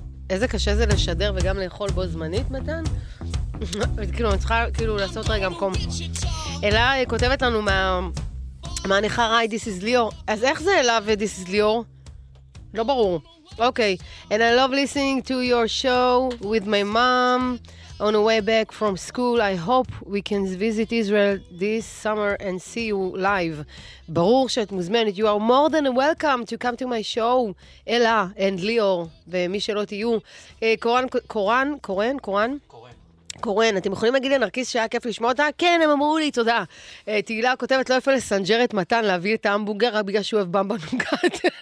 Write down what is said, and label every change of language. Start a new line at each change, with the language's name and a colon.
Hebrew: איזה קשה זה לשדר וגם לאכול בו זמנית, מתן? כאילו, אני צריכה כאילו לעשות רגע מקום. אלה כותבת לנו מהניחה ראי,
English: this is
Hebrew: ליאור. אז איך זה אלה ו-
English: this is
Hebrew: ליאור? לא ברור. אוקיי.
English: And I love listening to your show with my mom on the way back from school. I hope we can visit Israel this summer and see you live.
Hebrew: ברור שאת מוזמנת.
English: You are more than welcome to come to my show, אלה and ליאור,
Hebrew: ומי שלא תהיו. קורן? קורן, אתם יכולים להגיד לנרקיס שהיה כיף לשמוע אותה? כן, הם אמרו לי, תודה. תהילה כותבת, לא יפה לסנג'ר את מתן, להביא את ההמבורגר, רק בגלל שהוא אוהב במבה נוגעת.